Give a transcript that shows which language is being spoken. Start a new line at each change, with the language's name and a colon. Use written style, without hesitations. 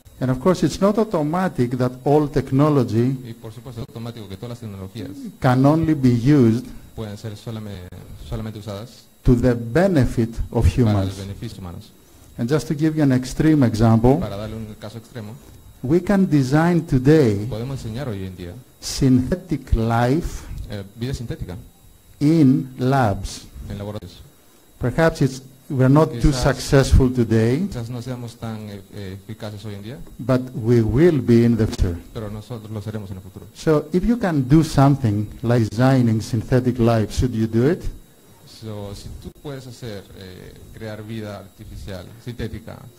English: And of course it's not automatic that all technology
Spanish: y por supuesto, es automático que todas las tecnologías
English: can only be used
Spanish: pueden ser solamente usadas
English: to the benefit of humans. And just to give you an extreme example,
Spanish: para darle un caso extremo,
English: we can design today
Spanish: podemos enseñar hoy en día
English: synthetic life
Spanish: vida sintética
English: in labs.
Spanish: En laboratorios.
English: Perhaps we're not
Spanish: quizás
English: too successful today,
Spanish: quizás no seamos tan eficaces hoy en día,
English: but we will be in the future.
Spanish: Pero nosotros lo seremos en el futuro.
English: So if you can do something like designing synthetic life, should you do it?
Spanish: So, si tú puedes hacer crear vida artificial sintética,